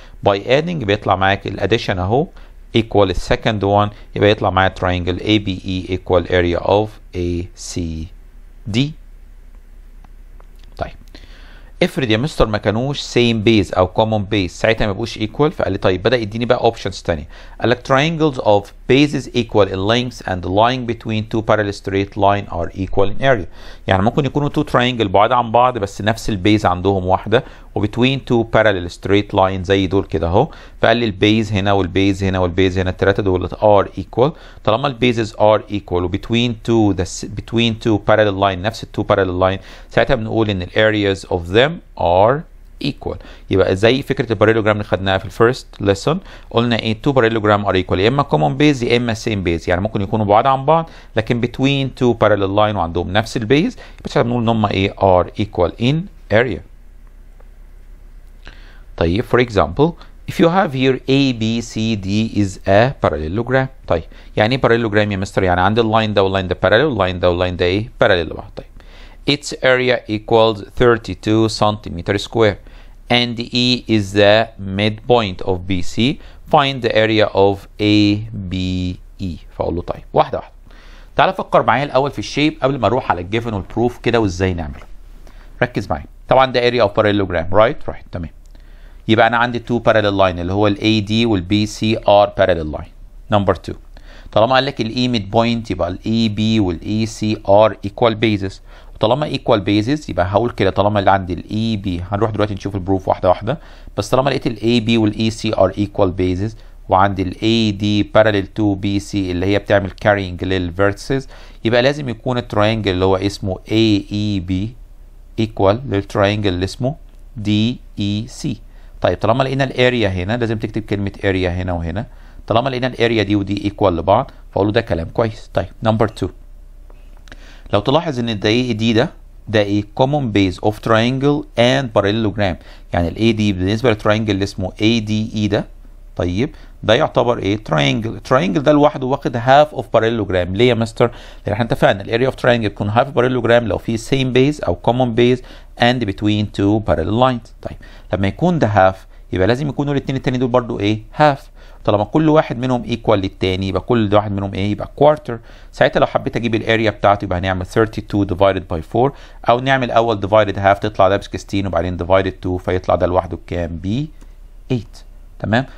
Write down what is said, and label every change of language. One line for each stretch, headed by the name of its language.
English: by adding بيطلع معاك الاديشن اهو equal the second one
Arabic: يبقى يطلع معايا
English: triangle ABE equal area of ACD. طيب
Arabic: افرض يا مستر ما كانوش سيم بيز او كومون بيز، ساعتها ما بقوش ايكوال. فقال لي طيب بدأ يديني بقى اوبشنز تانية.
English: قال لك triangles of bases equal in length and lying between two parallel straight line are equal in area.
Arabic: يعني ممكن يكونوا two triangle بعاد عن بعض بس نفس البيز عندهم واحدة، وبتوين
English: two parallel straight line
Arabic: زي دول كده اهو. فقال لي البيز هنا والبيز هنا والبيز هنا، التلاتة دول are equal.
English: طالما البيزز are equal وبتوين two between two parallel line نفس two parallel line،
Arabic: ساعتها بنقول ان
English: areas of them are equal.
Arabic: يبقى زي فكرة البريلوجرام اللي خدناها في الفيرست ليسون، قلنا ايه two parallelogram are equal، يا اما common base يا اما same base، يعني ممكن يكونوا بعاد عن بعض لكن between
English: two parallel line
Arabic: وعندهم نفس البيز، يبقى ساعتها بنقول ان هم ايه
English: are equal in area. طيب for example if you have here a b c d is a parallelogram.
Arabic: طيب يعني ايه parallelogram يا مستر؟ يعني عند اللاين ده واللاين ده parallel، واللاين ده واللاين ده ايه parallel.
English: طيب its area equals 32 centimeter square and E is the midpoint of BC. Find the area of ABE.
Arabic: فأقول له طيب واحدة واحدة، تعال فكر معايا الأول في الشيب قبل ما أروح على الجيفن والبروف كده وإزاي نعمله. ركز معايا، طبعا ده area of parallelogram right؟ right تمام.
English: يبقى أنا عندي two parallel line اللي هو ال AD وال BC are parallel line. Number two،
Arabic: طالما قال لك
English: ال E midpoint يبقى ال AB وال AC are equal bases.
Arabic: طالما equal bases يبقى هقول كده طالما اللي عندي ال AB، هنروح دلوقتي نشوف البروف واحدة واحدة، بس طالما لقيت ال AB وال AC
English: are equal bases
Arabic: وعندي ال AD parallel to BC اللي هي بتعمل carrying لل vertices، يبقى لازم يكون الترينجل اللي هو اسمه AEB equal للترينجل اللي اسمه DEC. طيب طالما لقينا ال area هنا لازم تكتب كلمة area هنا وهنا، طالما لقينا ال area دي ودي equal لبعض فقوله ده كلام كويس. طيب number two، لو تلاحظ ان ده ايه دي ده ده ايه
English: common base of triangle and parallelogram،
Arabic: يعني ال AD بالنسبة للترينجل اللي اسمه ADE ده، طيب ده يعتبر ايه triangle. triangle ده الواحد واخد half of parallelogram. ليه يا مستر؟ لان احنا اتفقنا ال area of triangle يكون half parallelogram لو فيه same base او common base
English: and between two parallel lines.
Arabic: طيب لما يكون ده half يبقى لازم يكونوا الاتنين التاني دول برضو ايه half. طالما كل واحد منهم ايكوال للتاني يبقى كل واحد منهم ايه يبقى كوارتر. ساعتها لو حبيت اجيب الاريا بتاعته يبقى هنعمل 32 ديفايدد باي 4، او نعمل اول ديفايدد هاف تطلع ده ب 16 وبعدين ديفايدد 2 فيطلع ده لوحده كام ب 8. تمام.